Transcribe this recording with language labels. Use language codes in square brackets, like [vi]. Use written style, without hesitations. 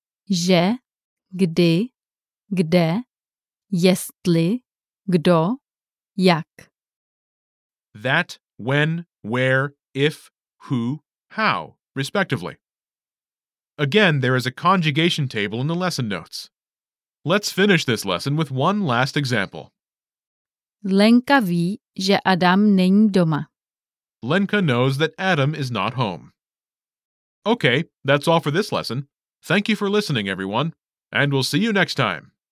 [cs] že, kdy, kde, jestli, kdo, jak. [en] That, when, where, if, who, how, respectively. Again, there is a conjugation table in the lesson notes. Let's finish this lesson with one last example. [cs] Lenka ví, že Adam není doma. [en] Lenka knows that Adam is not home. Okay, that's all for this lesson. Thank you for listening, everyone. And we'll see you next time.